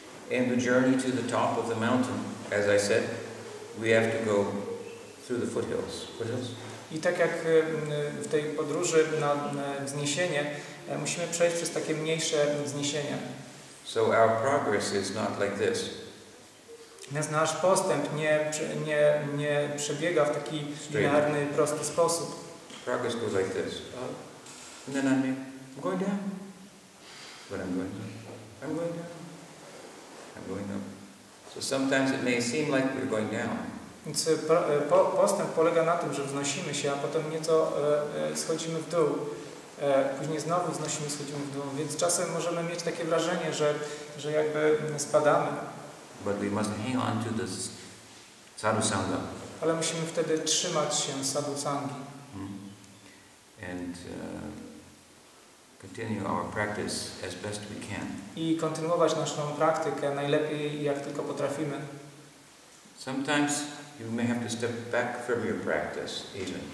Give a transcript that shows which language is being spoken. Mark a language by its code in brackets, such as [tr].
[en] And the journey to the top of the mountain, as I said, we have to go through the foothills. Foothills? [pl] I tak jak w tej podróży na wzniesienie, musimy przejść przez takie mniejsze wzniesienia. [en] So our progress is not like this. [pl] Więc nasz postęp nie przebiega w taki linearny, prosty sposób. [en] Progress goes like this. And then I'm going down. But I'm going down. I'm going down. I'm going up. So sometimes it may seem like we're going down. [pl] Więc postęp polega na tym, że wznosimy się, a potem nieco schodzimy w dół. Później znowu wznosimy, schodzimy w dół. Więc czasem możemy mieć takie wrażenie, że jakby spadamy. [en] But we must hang on to this sadhu sangha. [pl] Ale musimy wtedy trzymać się sadhu sangi. [en] And continue our practice as best we can. [pl] I kontynuować naszą praktykę najlepiej jak tylko potrafimy. [en] Sometimes you may have to step back from your practice even.